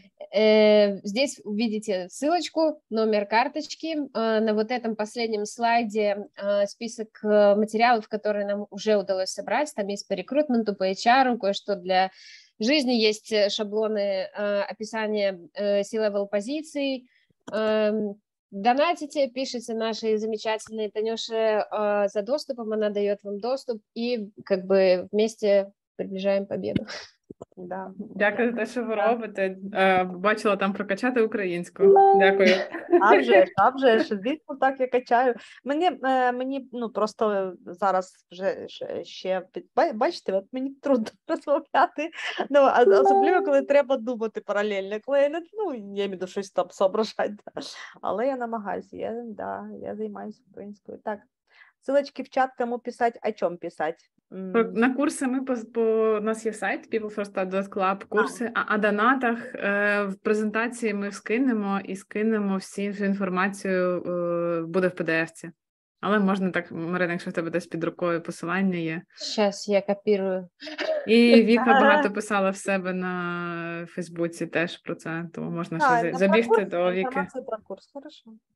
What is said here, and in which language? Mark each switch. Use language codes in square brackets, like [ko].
[ru] Здесь увидите ссылочку, номер карточки, на вот этом последнем слайде список материалов, которые нам уже удалось собрать, там есть по рекрутменту, по HR, кое-что для жизни, есть шаблоны описания C-level позиций. Донатите, пишите нашей замечательной Танюше за доступом, она дает вам доступ, и как бы вместе приближаем победу. Да. [uk] Дякую за те, що ви робите. Бачила там прокачати українську. Дякую. Абже ж, звісно, так я качаю. Мені ну, просто зараз вже ще, бачите, от мені трудно розмовляти. Ну, особливо, коли треба думати паралельно. Коли я, ну, я міду щось там соображати. Але я намагаюся, я займаюся українською. Так, [ru] ссылочки [uk] в чат, кому писати, о чому писати. На курси ми по нас є сайт peoplefirst.club, курси, а донатах в презентації ми скинемо і скинемо всю інформацію, буде в PDF-ці. Але можна так, Марина, якщо в тебе десь під рукою посилання є. Зараз я копірую. І Віка багато писала в себе на Фейсбуці теж про це, тому можна ще забігти до Віки. Так, [ru] про курс, хорошо.